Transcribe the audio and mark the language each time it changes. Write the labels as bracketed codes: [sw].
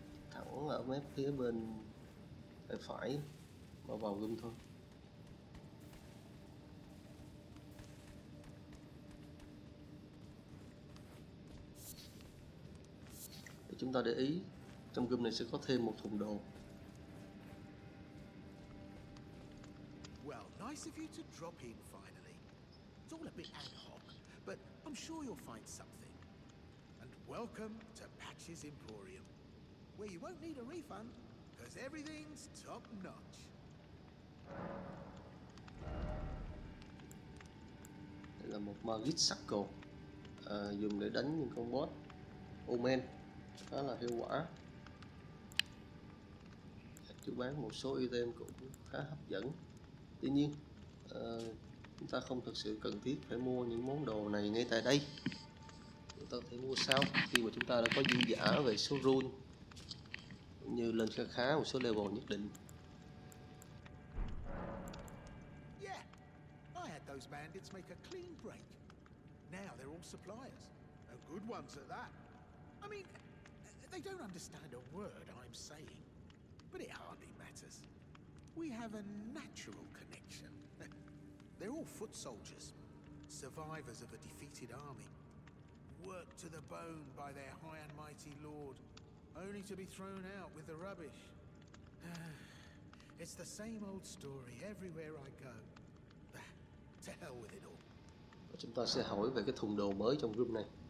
[vi] Thẳng ở mép phía bên phải mà vào gầm thôi. Để chúng ta để ý, trong gầm này sẽ có thêm một thùng đồ. [en] Well, nice of you to drop in finally. It's all a bit ad hoc, but I'm sure you'll find something. And welcome to Patches Emporium, where you won't need a refund, because everything's top notch. [vi] Đây là một Magic Circle, dùng để đánh những con boss Omen, khá là hiệu quả. Chú bán một số item cũng khá hấp dẫn. Tuy nhiên, chúng ta không thực sự cần thiết phải mua những món đồ này ngay tại đây. Chúng ta có thể mua sau khi mà chúng ta đã có dư giả về số rune cũng như lên khá khá một số level nhất định. [en] Yeah, I had those bandits make a clean break. Now they're all suppliers, and good ones at that. I mean, they don't understand a word I'm saying, but it hardly matters. We have a natural connection. They're all foot soldiers, survivors of a defeated army, worked to the bone by their high and mighty lord, only to be thrown out with the rubbish. It's the same old story everywhere I go. Bah, to hell with it all. [vi] Chúng ta sẽ hỏi về cái thùng đồ mới trong group này.